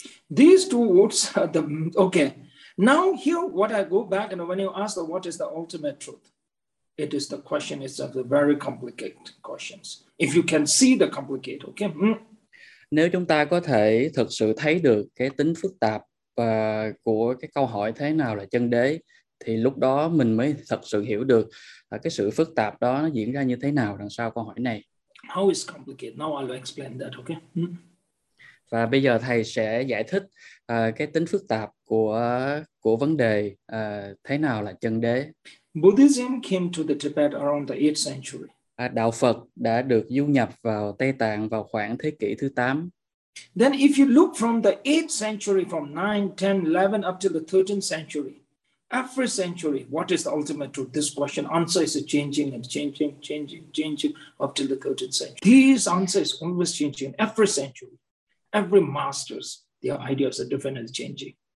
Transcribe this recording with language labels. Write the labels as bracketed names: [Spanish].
[English] These two words are the okay. Now here, what I go back, and when you ask the what is the ultimate truth, it is the question is of the very complicated questions. If you can see the complicated, okay? [Vietnamese] Nếu chúng ta có thể thực sự thấy được cái tính phức tạp của cái câu hỏi thế nào là chân đế, thì lúc đó mình mới thực sự hiểu được cái sự phức tạp đó nó diễn ra như thế nào đằng sau câu hỏi này. [English] How is complicated? Now I'll explain that, okay? [Vietnamese] Và bây giờ thầy sẽ giải thích cái tính phức tạp của vấn đề thế nào là chân đế. [English] Buddhism came to the Tibet around the 8th century. [Vietnamese] Đạo Phật đã được du nhập vào Tây Tạng vào khoảng thế kỷ thứ 8. [English] Then if you look from the 8th century, from 9, 10, 11 up to the 13th century, every century, what is the ultimate truth? This question answer is changing and changing, changing, changing up to the 13th century. These answers always changing every century. Every masters, their ideas are different and changing.